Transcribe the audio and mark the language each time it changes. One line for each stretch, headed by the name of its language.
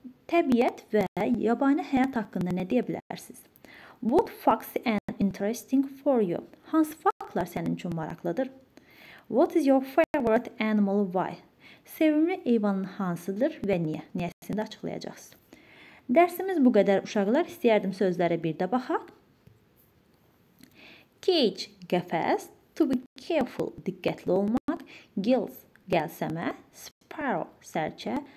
Azerbaijani: Təbiət və yabani həyat haqqında nə deyə bilərsiniz?
English: What facts are interesting for you?
Azerbaijani: Hansı faktlar sənin üçün maraqlıdır?
English: What is your favorite animal? Why?
Azerbaijani: Sevimli heyvanın hansıdır və niyə? Niyəsini də açıqlayacaqsınız. Dərsimiz bu qədər uşaqlar. İstəyərdim sözlərə bir də baxaq. Cage, qəfəs. To be careful, diqqətli olmaq. Gills, qəlsəmə. Sparrow, sərçə.